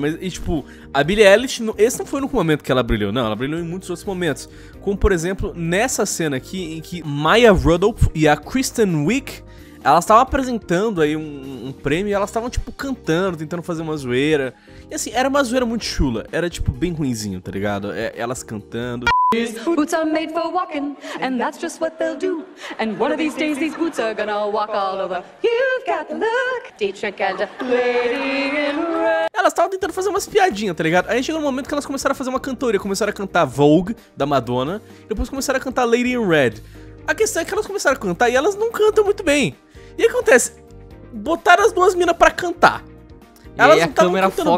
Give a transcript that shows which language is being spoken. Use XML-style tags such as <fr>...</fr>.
<pt>Mas, e, tipo, a Billie Eilish, esse não foi no momento que ela brilhou, não. Ela brilhou em muitos outros momentos. Como, por exemplo, nessa cena aqui, em que Maya Rudolph e a Kristen Wiig, elas estavam apresentando aí um prêmio e elas estavam, tipo, cantando, tentando fazer uma zoeira. E, assim, era uma zoeira muito chula. Era, tipo, bem ruinzinho, tá ligado? Elas cantando...</pt> <en>Boots are made for walking, and that's just what they'll do. And one of these days, these boots are gonna walk all over. You've got the look, Dietrich and Lady in Red.</en> <pt>Elas estavam tentando fazer umas piadinhas, tá ligado? Aí chegou um momento que elas começaram a fazer uma cantoria. Começaram a cantar Vogue, da Madonna. E depois começaram a cantar Lady in Red. A questão é que elas começaram a cantar e elas não cantam muito bem. E o que acontece? Botaram as duas minas pra cantar. Elas e aí a câmera foca</pt>